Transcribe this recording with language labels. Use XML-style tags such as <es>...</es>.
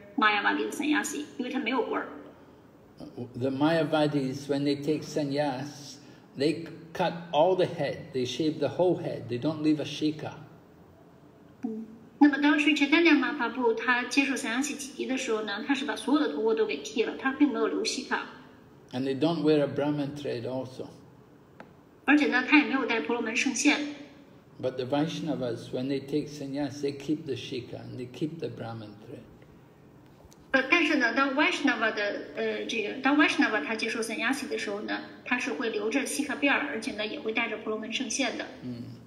<en>The Mayavadis, when they take sannyas, they cut all the head, they shave the whole head, they don't leave a shika.</en> <zh>那么当时 Chaitanya Mahaprabhu 他接受 sannyasi 几级的时候呢，他是把所有的头发都给剃了，他并没有留shika。</zh> <en>And they don't wear a Brahmin thread also.</en> <zh>而且呢，他也没有戴婆罗门圣线。</zh> <en>But the Vaishnavas, when they take sannyas, they keep the shika and they keep the Brahmin thread.</en> <zh>但是呢，当 Vaishnava 的这个，当 Vaishnava 他接受 Sannyasi 的时候呢，他是会留着西卡辫，而且呢也会带着婆罗门圣线的。嗯。</zh>